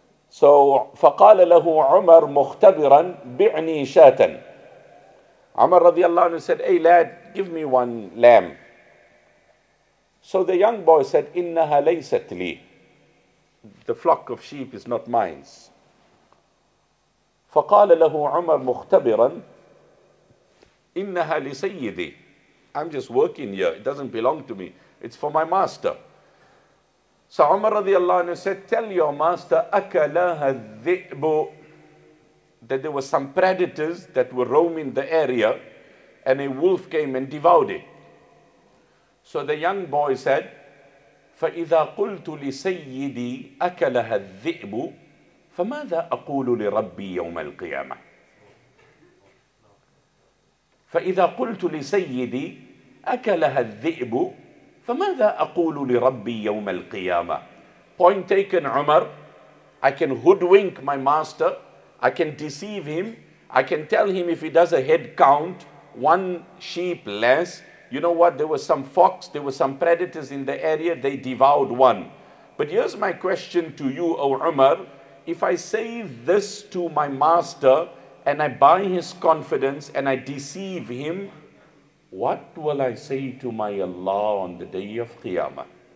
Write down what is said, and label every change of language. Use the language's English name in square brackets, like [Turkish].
[Arabic] So, فَقَالَ لَهُ عُمَرْ مُخْتَبِرًا بِعْنِي شَاتًا. [English] Umar radiallahu anhu said, hey lad, give me one lamb. So the young boy said, [Arabic] إِنَّهَا لَيْسَتْ لِي. [English] the flock of sheep is not mine. [Arabic] فقال له عمر مختبرا إنها لسيدي. [English] I'm just working here. It doesn't belong to me. It's for my master. So Umar radiallahu anhu said, tell your master, [Arabic] أَكَلَهَا الذِّئْبُ, [English] that there were some predators that were roaming the area and a wolf came and devoured it. So the young boy said, [Arabic] فَإِذَا قُلْتُ لِسَيِّدِي أَكَلَهَا الذِّئْبُ فَمَاذَا أَقُولُ لِرَبِّي يَوْمَ الْقِيَامَةِ فَإِذَا قُلْتُ لِسَيِّدِي أَكَلَهَا الذِّئْبُ فَمَاذَا أَقُولُ لِرَبِّي يَوْمَ الْقِيَامَةِ. [English] Point taken, Umar. I can hoodwink my master. I can deceive him. I can tell him if he does a head count, one sheep less. You know what? There were some fox, there were some predators in the area. They devoured one. But here's my question to you, O Umar. If I say this to my master, and I buy his confidence and I deceive him, what will I say to my Allah on the day of Qiyamah?